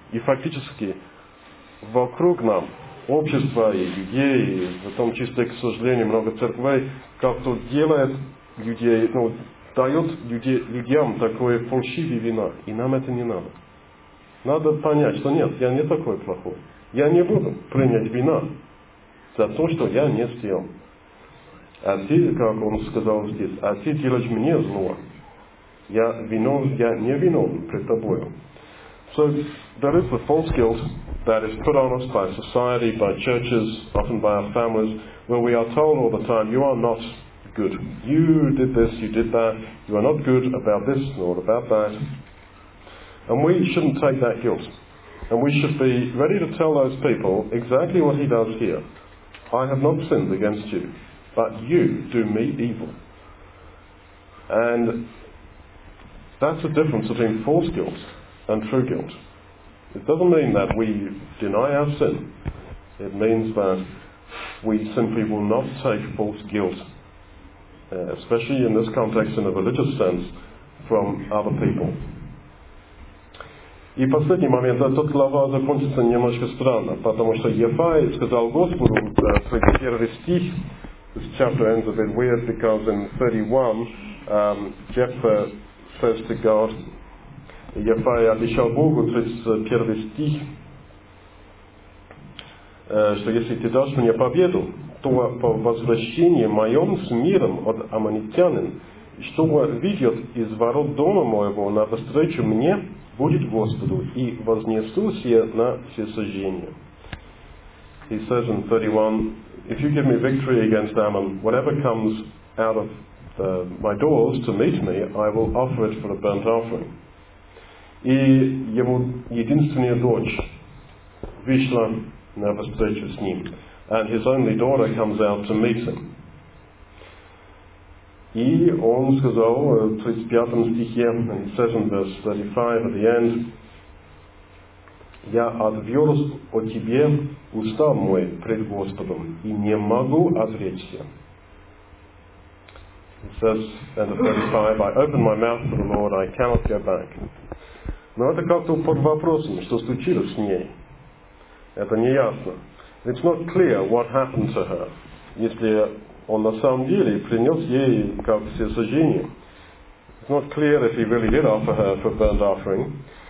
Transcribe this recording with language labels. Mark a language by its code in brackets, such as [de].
[ru] И фактически вокруг нам общество и людей, и в том числе, к сожалению, много церквей, как-то делает людей, ну, дает людям такое фальшивое вино, и нам это не надо. Надо понять, что нет, я не такой плохой. Я не буду принять вина за то, что я не съел. А ты, как он сказал здесь, а ты делаешь мне зло. Я виновен, я не виновен пред тобою. [en] So there is the false guilt that is put on us by society, by churches, often by our families, where we are told all the time, you are not good. You did this, you did that, you are not good about this nor about that. And we shouldn't take that guilt. And we should be ready to tell those people exactly what he does here. I have not sinned against you, but you do me evil. And that's the difference between false guilt and true guilt. It doesn't mean that we deny our sin. It means that we simply will not take false guilt, especially in this context in a religious sense, from other people. [ru] И последний момент, этот глава закончится немножко странно, потому что Ефай сказал Господу, 31 стих, [en] this chapter ends a bit weird because in 31, Jephthah says to God, [ru] Ефай обещал Богу, 31 стих, что если ты дашь мне победу, то по возвращении моем с миром от аммонитянин, что выйдет из ворот дома моего навстречу мне, будет Господу, и вознесусь я на всесожжение. [en] He says in 31, if you give me victory against Ammon, whatever comes out of my doors to meet me, I will offer it for a burnt offering. [ru] И его единственная дочь вышла навстречу с ним. [en] And his only daughter comes out to meet him. [ru] И он сказал в 35 стихе, [en] and he says in verse 35 at the end, [ru] я отверз о тебе уста мой пред Господом, и не могу отречься. [en] He says in the 35, I open my mouth to the Lord, I cannot go back. [ru] Но это как-то под вопросом, что случилось с ней. Это не ясно. [en] It's not clear what happened to her. [ru] Если он на самом деле принес ей как всесожжение. [en] It's not clear if he really did offer her for burnt offering.